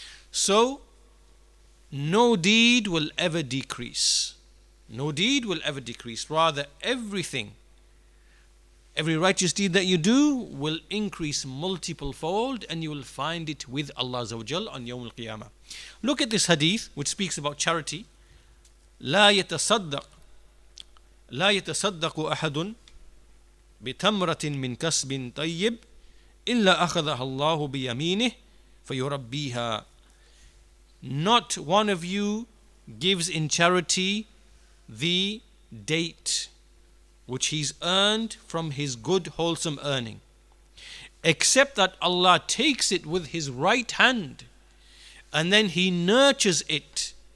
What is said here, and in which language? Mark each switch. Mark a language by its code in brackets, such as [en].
[en] So no deed will ever decrease. No deed will ever decrease. Rather, everything, every righteous deed that you do will increase multiple fold, and you will find it with Allah Azawajal on Yawm Al-Qiyamah. Look at this hadith which speaks about charity. [ar] لا يتصدق أحد بتمرة من كسب طيب إلا أخذها الله بيمينه فيربيها. [en] Not one of you gives in charity the date which he's earned from his good wholesome earning, except that Allah takes it with his right hand, and then he nurtures it.